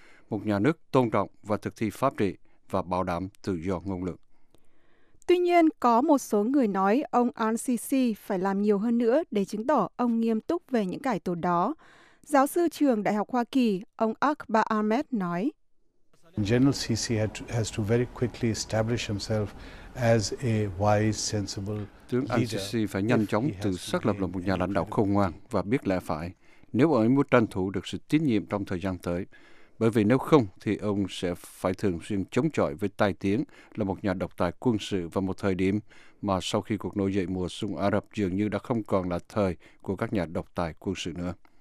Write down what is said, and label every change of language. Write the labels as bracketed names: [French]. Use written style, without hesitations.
[Vietnamese] Một nhà nước tôn trọng và thực thi pháp trị và bảo đảm tự do ngôn luận. Tuy nhiên, có một số người nói ông al-Sisi phải làm nhiều hơn nữa để chứng tỏ ông nghiêm túc về những cải tổ đó. Giáo sư trường Đại học Hoa Kỳ, ông Akba Ahmed nói. [English] General Sisi has to very quickly establish himself as a wise, sensible leader. [Vietnamese] Tướng al-Sisi phải nhanh chóng tự xác lập là một nhà lãnh đạo khôn ngoan và biết lẽ phải nếu ông ấy muốn tranh thủ được sự tín nhiệm trong thời gian tới. Bởi vì nếu không thì ông sẽ phải thường xuyên chống chọi với tai tiếng là một nhà độc tài quân sự vào một thời điểm mà sau khi cuộc nổi dậy mùa xuân Ả Rập dường như đã không còn là thời của các nhà độc tài quân sự nữa.